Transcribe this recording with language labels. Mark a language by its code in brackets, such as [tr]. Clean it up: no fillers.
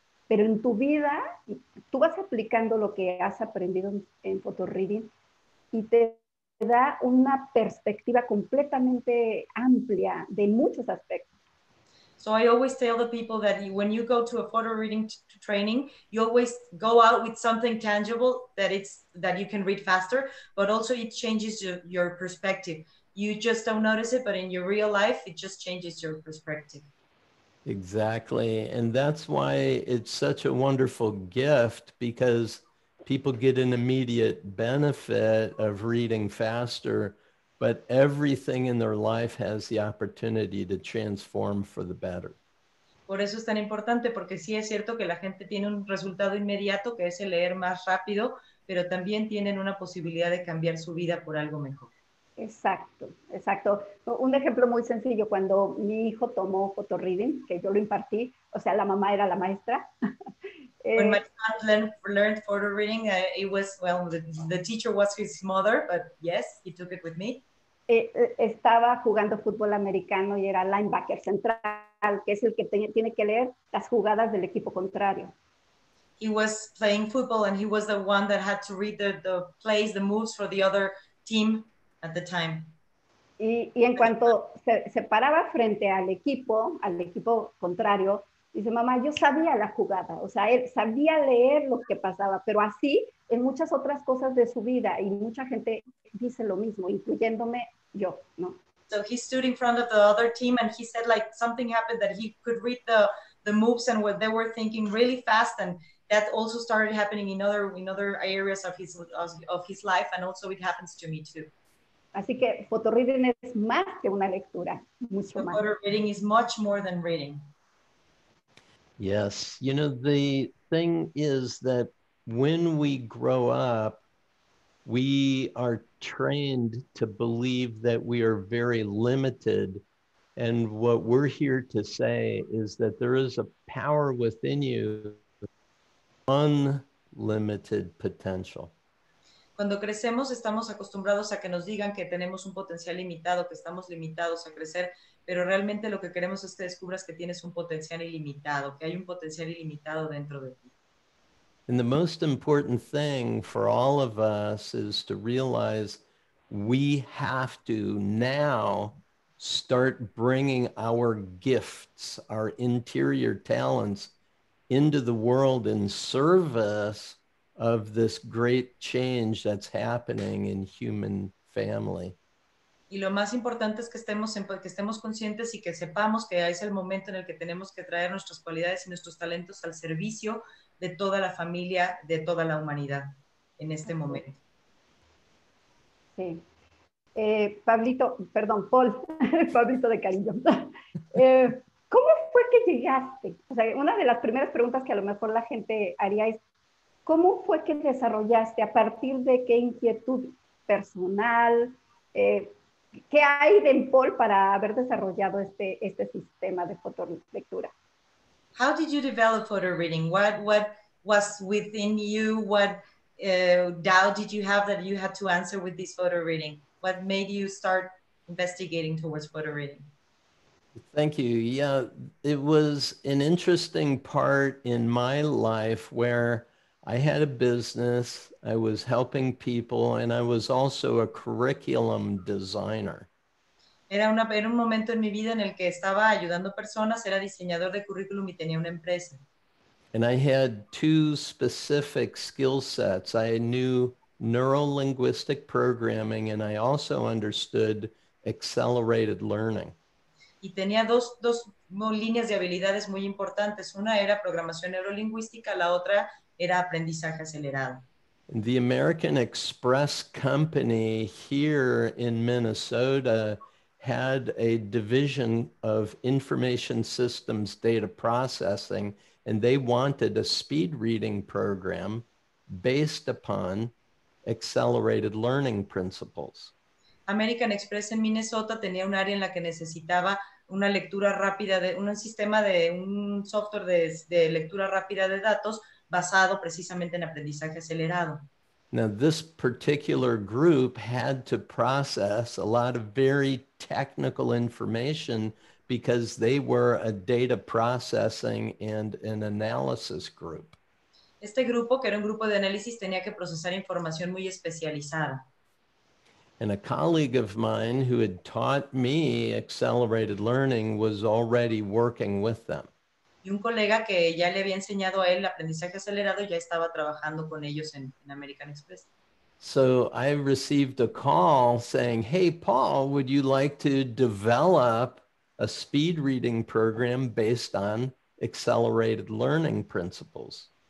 [es] Pero en tu vida, tú vas aplicando lo que has aprendido en photo reading y te da una perspectiva completamente amplia de muchos aspectos. [en] So I always tell the people that when you go to a photo reading training, you always go out with something tangible that you can read faster, but also it changes your perspective. You just don't notice it, but in your real life, it just changes your perspective. Exactly. And that's why it's such a wonderful gift, because people get an immediate benefit of reading faster, but everything in their life has the opportunity to transform for the better. [es] Por eso es tan importante, porque sí es cierto que la gente tiene un resultado inmediato, que es el leer más rápido, pero también tienen una posibilidad de cambiar su vida por algo mejor. Exacto, exacto. Un ejemplo muy sencillo, cuando mi hijo tomó photo reading, que yo lo impartí, o sea, la mamá era la maestra. [en] When my son learned photo reading, the teacher was his mother, but yes, he took it with me. [es] Estaba jugando fútbol americano y era linebacker central. central, que es el que tiene que leer las jugadas del equipo contrario. [en] He was playing football and he was the one that had to read the plays, the moves for the other team at the time. [es] Y en cuanto se paraba frente al equipo contrario, dice, mamá, yo sabía la jugada, o sea, él sabía leer lo que pasaba, pero así en muchas otras cosas de su vida, y mucha gente dice lo mismo, incluyéndome yo, ¿no? [en] So he stood in front of the other team and he said like something happened that he could read the moves and what they were thinking really fast, and that also started happening in other areas of his life, and also it happens to me too. [es] Así que photoreading es más que una lectura, mucho más. [en] Photoreading is much more than reading. Yes, you know, the thing is that when we grow up, we are trained to believe that we are very limited. And what we're here to say is that there is a power within you, unlimited potential. [es] Cuando crecemos, estamos acostumbrados a que nos digan que tenemos un potencial limitado, que estamos limitados a crecer, pero realmente lo que queremos es que descubras que tienes un potencial ilimitado, que hay un potencial ilimitado dentro de ti. [en] And the most important thing for all of us is to realize we have to now start bringing our gifts, our interior talents, into the world in service of this great change that's happening in human family. [es] Y lo más importante es que estemos conscientes y que sepamos que es el momento en el que tenemos que traer nuestras cualidades y nuestros talentos al servicio de toda la familia, de toda la humanidad en este momento. Sí. Pablito, perdón, Paul, Pablito de cariño. ¿Cómo fue que llegaste? O sea, una de las primeras preguntas que a lo mejor la gente haría es, ¿cómo fue que desarrollaste? ¿A partir de qué inquietud personal? ¿Qué hay de Paul para haber desarrollado este sistema de fotolectura? [en] How did you develop photo reading? What was within you? What doubt did you have that you had to answer with this photo reading? What made you start investigating towards photo reading? Thank you. Yeah, it was an interesting part in my life where I had a business, I was helping people, and I was also a curriculum designer. [es] Era un momento en mi vida en el que estaba ayudando personas, era diseñador de currículum y tenía una empresa. [en] And I had two specific skill sets. I knew neuro-linguistic programming and I also understood accelerated learning. [es] Y tenía dos líneas de habilidades muy importantes. Una era programación neurolingüística, la otra era aprendizaje acelerado. [en] The American Express Company here in Minnesota had a division of information systems data processing, and they wanted a speed reading program based upon accelerated learning principles. [es] American Express en Minnesota tenía un área en la que necesitaba una lectura rápida de un sistema de un software de lectura rápida de datos basado precisamente en aprendizaje acelerado. [en] Now, this particular group had to process a lot of very technical information because they were a data processing and an analysis group. [es] Este grupo, que era un grupo de análisis, tenía que procesar información muy especializada. [en] And a colleague of mine who had taught me accelerated learning was already working with them. [es] Y un colega que ya le había enseñado a él el aprendizaje acelerado ya estaba trabajando con ellos en American Express. [en] So I received a call saying, hey, Paul, would you like to develop a speed reading program based on accelerated learning principles?